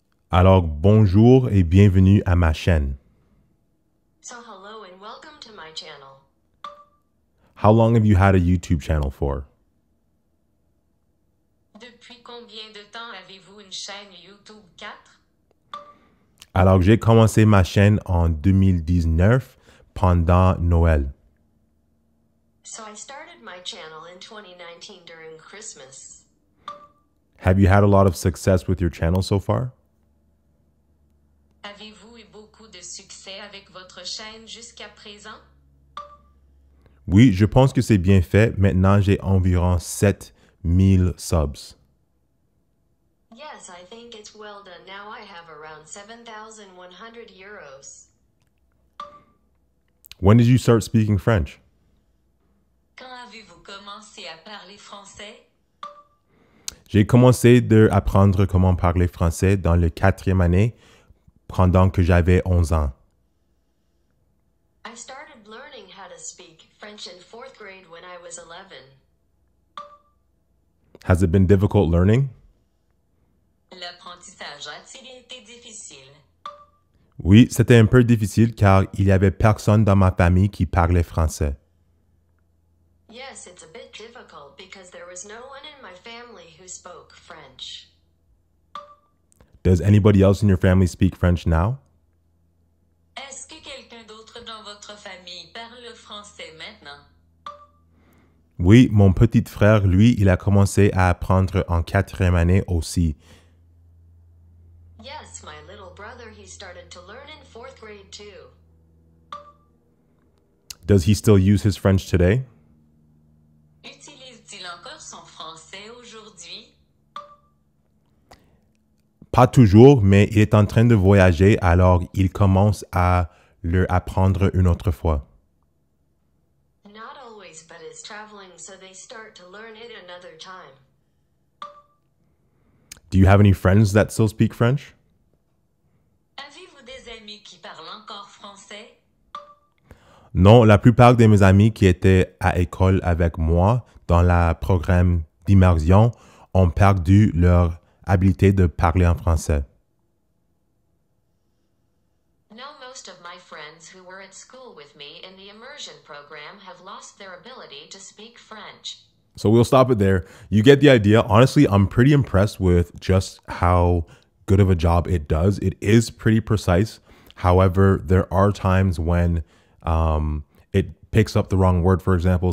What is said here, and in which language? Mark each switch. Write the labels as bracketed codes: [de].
[fr] Alors, bonjour et bienvenue à ma chaîne. [en] So hello and welcome to my channel. How long have you had a YouTube channel for? [fr] Depuis combien de temps avez-vous une chaîne YouTube 4? Alors, j'ai commencé ma chaîne en 2019 pendant Noël. [en] So I started my channel in 2019 during Christmas. Have you had a lot of success with your channel so far? [fr] Avez-vous eu beaucoup de succès avec votre chaîne jusqu'à présent? Oui, je pense que c'est bien fait. Maintenant, j'ai environ 7000 subs. [en] Yes, I think it's well done. Now I have around 7,100 euros. When did you start speaking French? [fr] Quand avez-vous commencé à parler français? J'ai commencé à apprendre comment parler français dans la quatrième année. Pendant que j'avais 11 ans. [en] I started learning how to speak French in fourth grade when I was 11. Has it been difficult learning? [fr] L'apprentissage a-t-il été difficile? Oui, c'était un peu difficile car il y avait personne dans ma famille qui parlait français. [en] Yes, it's a bit difficult because there was no one in my family who spoke French. Does anybody else in your family speak French now? [fr] Est-ce que quelqu'un d'autre dans votre famille parle français maintenant? Oui, mon petit frère, lui, il a commencé à apprendre en quatrième année aussi. [en] Yes, my little brother, he started to learn in fourth grade too. Does he still use his French today? [fr] Utilise-t-il encore son français aujourd'hui? Pas toujours, mais il est en train de voyager, alors il commence à le apprendre une autre fois. [en] Not always, but it's traveling, so they start to learn it another time. Do you have any friends that still speak French? [fr] Avez-vous trouves des amis qui parlent encore français? Non, la plupart de mes amis qui étaient à école avec moi dans le programme d'immersion ont perdu leur habilité de parler en français. [en] Now most of my friends who were at school with me in the immersion program have lost their ability to speak French. So we'll stop it there. You get the idea. Honestly, I'm pretty impressed with just how good of a job it does. It is pretty precise. However, there are times when it picks up the wrong word, for example.